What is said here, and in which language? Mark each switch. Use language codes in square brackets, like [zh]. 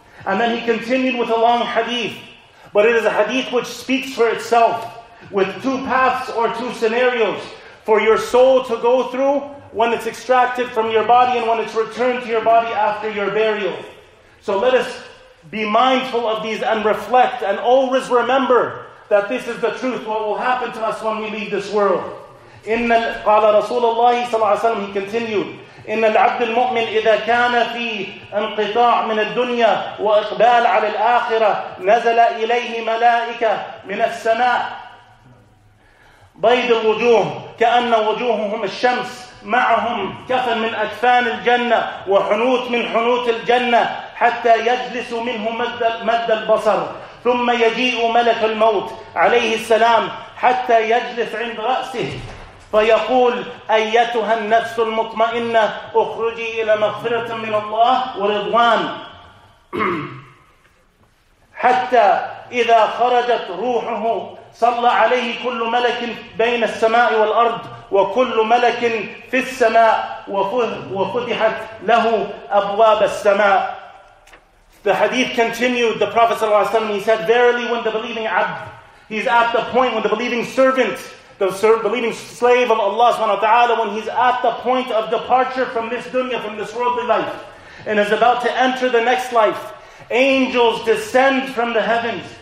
[en] And then he continued with a long hadith. But it is a hadith which speaks for itself, with two paths or two scenarios for your soul to go through when it's extracted from your body and when it's returned to your body after your burial. So let us be mindful of these and reflect and always remember that this is the truth, what will happen to us when we leave this world. [ar] إِنَّ قَالَ رَسُولَ اللَّهِ صَلَّى اللَّهُ عَلَيْهِ وَسَلَّمْ, [en] he continued, [ar] إِنَّ الْعَبْدِ الْمُؤْمِنِ إِذَا كَانَ فِي أَنْقِطَاعٍ مِنَ الدُّنْيَا وَإِقْبَالَ عَلَى الْآخِرَةِ نَزَلَ إِلَيْهِ مَلَائِكَ مِنَ السَّمَاءِ بيض الوجوه كأن وجوههم الشمس معهم كفن من أكفان الجنة وحنوت من حنوت الجنة حتى يجلس منه مد البصر ثم يجيء ملك الموت عليه السلام حتى يجلس عند رأسه فيقول أيتها النفس المطمئنة أخرجي إلى مغفرة من الله ورضوان حتى إذا خرجت روحه صلى عليه كل ملك بين السماء والأرض وكل ملك في السماء وفتحت له أبواب السماء. [en] The hadith continued, the Prophet [ar] صلى الله عليه وسلم, [en] he said, verily when the believing abd, he's at the point when the believing servant, the believing slave of Allah subhanahu wa ta'ala, when he's at the point of departure from this dunya, from this worldly life, and is about to enter the next life, angels descend from the heavens.